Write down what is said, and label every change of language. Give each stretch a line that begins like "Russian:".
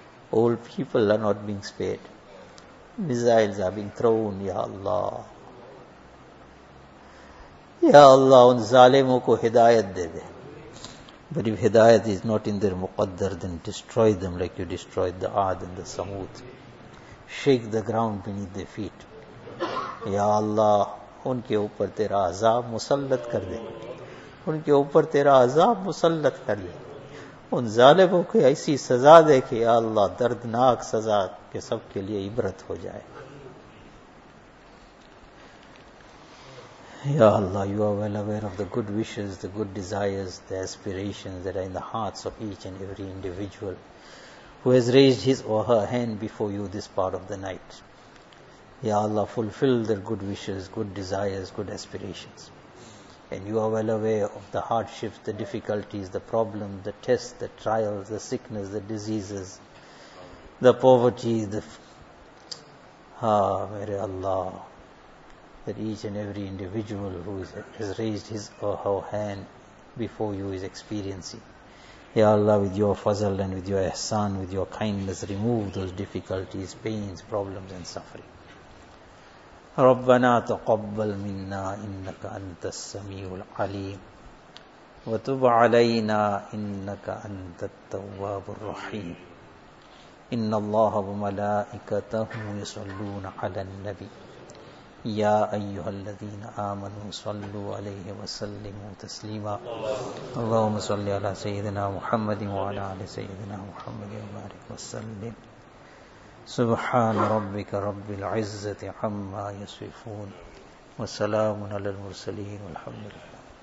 English: Old people are not being spared. Missiles are being thrown, Ya Allah.
Urdu: یا اللہ ان ظالموں کو ہدایت دے دے.
English: But if hidayat is not in their muqaddar, then destroy them like you destroyed the Aad and the Samud. Shake the ground beneath their feet.
Urdu: Ya Allah, ان کے اوپر تیرا عذاب مسلط کر دے, ان کے اوپر تیرا عذاب مسلط کر دے, ان ظالموں کو ایسی سزا دے کہ یا اللہ دردناک سزا کے سب کے لیے عبرت ہو جائے.
English: Ya Allah, you are well aware of the good wishes, the good desires, the aspirations that are in the hearts of each and every individual who has raised his or her hand before you this part of the night. Ya Allah, fulfill their good wishes, good desires, good aspirations. And you are well aware of the hardships, the difficulties, the problems, the tests, the trials, the sickness, the diseases, the poverty, the...
Urdu: Mere Allah,
English: that each and every individual who has raised his or her hand before you is experiencing. Ya Allah, with your fazl and with your ihsan, with your kindness, remove those difficulties, pains, problems and suffering.
Arabic: ربنا تقبل منا انك انت السميع العليم وتب علينا انك انت التواب الرحيم ان الله وملائكته يصلون على النبي يا ايها الذين امنوا صلوا عليه وسلموا تسليما اللهم صل على سيدنا محمد وعلى ال سيدنا محمد وبارك وسلم سبحان ربك رب العزة عما يصفون وسلام على المرسلين والحمد لله.